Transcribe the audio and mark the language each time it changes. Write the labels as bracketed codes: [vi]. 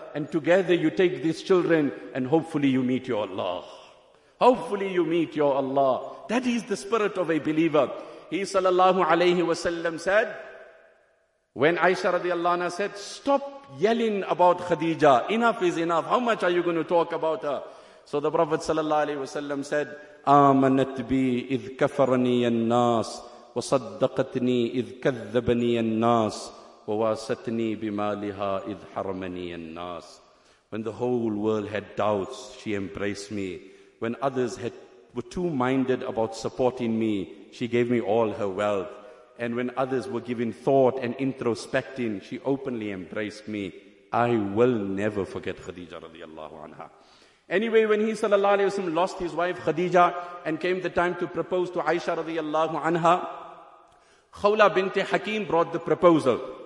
[en] And together you take these children and hopefully you meet your Allah. Hopefully you meet your Allah. That is the spirit of a believer. He sallallahu alayhi wa sallam said, when Aisha radiallahu anha said, stop yelling about Khadija. Enough is enough. How much are you going to talk about her? So the Prophet sallallahu alayhi wa sallam said, [ar] آمنت بي إذ كفرني الناس وصدقتني إذ كذبني الناس وواستني بمالها إذ حرمني الناس. [en] When the whole world had doubts, she embraced me. When others were two-minded about supporting me, she gave me all her wealth. And when others were giving thought and introspecting, she openly embraced me. I will never forget Khadija radiallahu anha. Anyway, when he sallallahu alayhi wa sallam lost his wife Khadija and came the time to propose to Aisha radiallahu anha, Khawla binti Hakim brought the proposal.